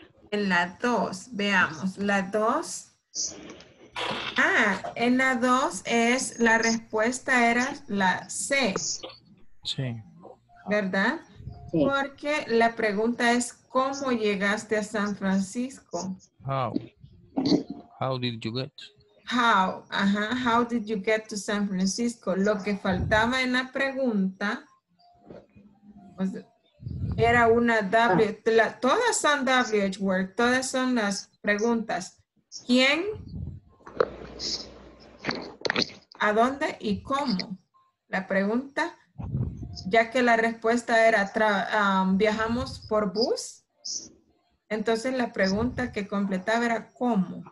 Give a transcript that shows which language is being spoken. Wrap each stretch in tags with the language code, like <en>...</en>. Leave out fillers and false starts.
<es>En la dos, veamos, la dos. Ah, en la 2 es, la respuesta era la C. Sí. ¿Verdad? Sí. Porque la pregunta es, ¿cómo llegaste a San Francisco?</es> <en>How? How did you get? How? Ajá, how did you get to San Francisco?</en> <es>Lo que faltaba en la pregunta</es> <en>was,</en> <es>era una W. La, todas son WH word, todas son las preguntas. ¿Quién? ¿A dónde y cómo? La pregunta, ya que la respuesta era viajamos por bus, entonces la pregunta que completaba era ¿cómo?</es>